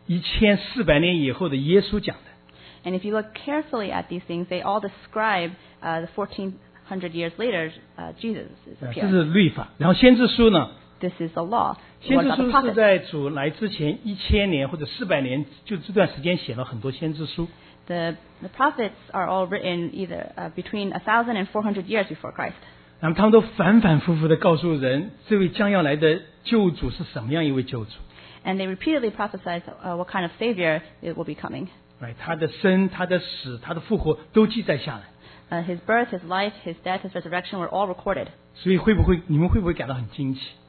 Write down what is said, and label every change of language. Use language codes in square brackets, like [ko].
[zh] 所有这些你仔细看都是指着1400年以后的耶稣讲的。 [en] And if you look carefully at these things, they all describe the 1400 years later, Jesus is appeared. [zh] 这是律法，然后先知书呢？ [en] This is the law. [zh] 先知书是在主来之前1000年或者400年，就这段时间写了很多先知书。 [en] The prophets are all written either between 1,000 and 400 years before Christ. [zh] 然后他们都反反复复地告诉人，这位将要来的救主是什么样一位救主。 [en] And they repeatedly prophesied what kind of savior it will be coming. [zh] 他的生、他的死、他的复活都记载下来。 [en] His birth, his life, his death, his resurrection were all recorded. [zh] 所以会不会感到很惊奇？